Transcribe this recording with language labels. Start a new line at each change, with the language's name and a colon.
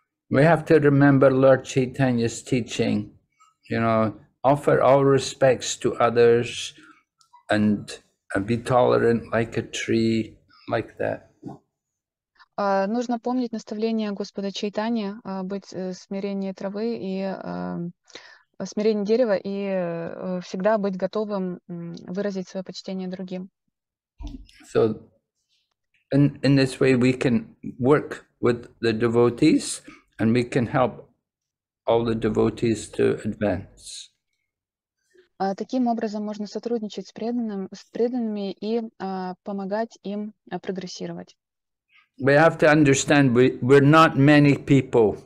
English: We have to remember Lord Chaitanya's teaching, you know, offer all respects to others, and be tolerant like a tree, like that.
Russian: Нужно помнить наставление Господа Чайтани, быть смирение травы и смирение дерева и всегда быть готовым выразить свое почтение другим.
English: So in this way we can work with the devotees and we can help all the devotees to advance.
Russian: Таким образом можно сотрудничать с преданными и помогать им прогрессировать.
English: We have to understand we're not many people.